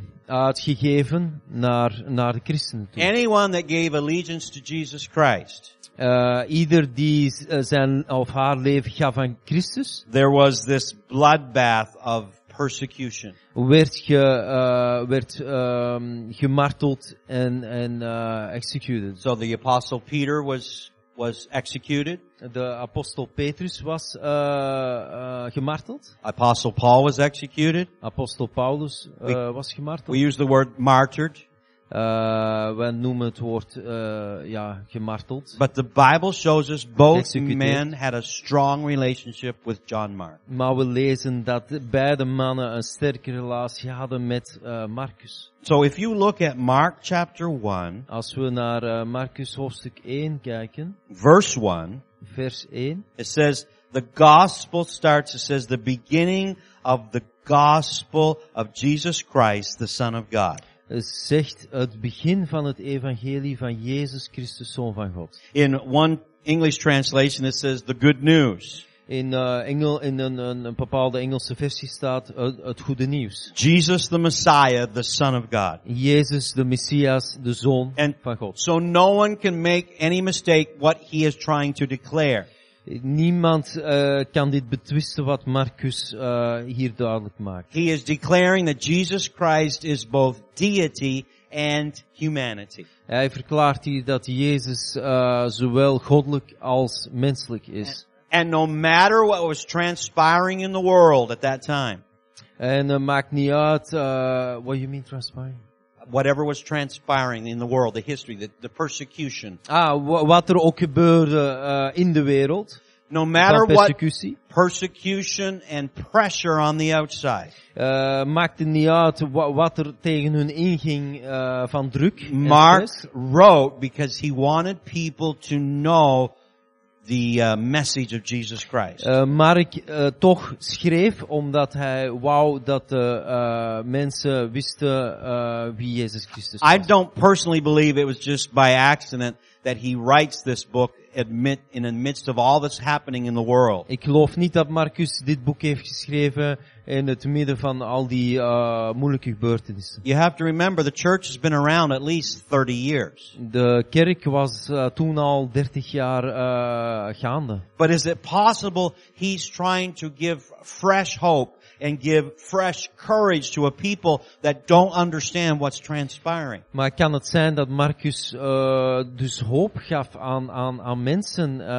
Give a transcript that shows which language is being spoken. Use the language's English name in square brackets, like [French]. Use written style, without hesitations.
[Dutch] uitgegeven naar de christenen toe. [English] Anyone that gave allegiance to Jesus Christ. [Dutch] Ieder die zijn of haar leven gaf aan Christus. [English] There was this bloodbath of persecution. [Dutch] Werd gemarteld en executed. [English] So the apostle Peter was executed. [Dutch] De apostel Petrus was gemarteld. [English] Apostle Paul was executed. [Dutch] Apostel Paulus was gemarteld. [English] We use the word martyred. [Dutch] We noemen het woord gemarteld. [English] But the Bible shows us both men had a strong relationship with John Mark. [Dutch] Maar we lezen dat beide mannen een sterke relatie hadden met Marcus. [English] So if you look at Mark chapter 1, [Dutch] als we naar Marcus hoofdstuk 1 kijken, vers 1, [English] it says the gospel starts. It says the beginning of the gospel of Jesus Christ, the Son of God. [Dutch] Zegt het begin van het evangelie van Jezus Christus, Zoon van God. [English] In one English translation it says the good news. [Dutch] In een bepaalde Engelse versie staat het goede nieuws. [English] Jesus the Messiah, the Son of God. [Dutch] Jezus de Messias, de Zoon van God. [English] So no one can make any mistake what he is trying to declare. [Dutch] Niemand kan dit betwisten wat Marcus hier duidelijk maakt. [English] He is declaring that Jesus Christ is both deity and humanity. [Dutch] Hij verklaart hier dat Jezus zowel goddelijk als menselijk is. [English] And no matter what was transpiring in the world at that time. [Dutch] En maakt niet uit [English] what you mean transpiring. Whatever was transpiring in the world, the history, the persecution. [Dutch] Wat er ook gebeurde in de wereld. [English] No matter what persecution and pressure on the outside. [Dutch] Maakte niet uit wat er tegen hun inging van druk. [English] Mark wrote because he wanted people to know the message of Jesus Christ. [Dutch] Mark toch schreef omdat hij wou dat de mensen wisten wie Jezus Christus was. [English] I don't personally believe it was just by accident that he writes this book in the midst of all that's happening in the world. [Dutch] Ik geloof niet dat Marcus dit boek heeft geschreven in het midden van al die moeilijke gebeurtenissen. [English] You have to remember the church has been around at least 30 years. [Dutch] De kerk was toen al 30 jaar gaande. [English] But is it possible he's trying to give fresh hope and give fresh courage to a people that don't understand what's transpiring? [Dutch] Maar kan het zijn dat Marcus dus hoop gaf aan mensen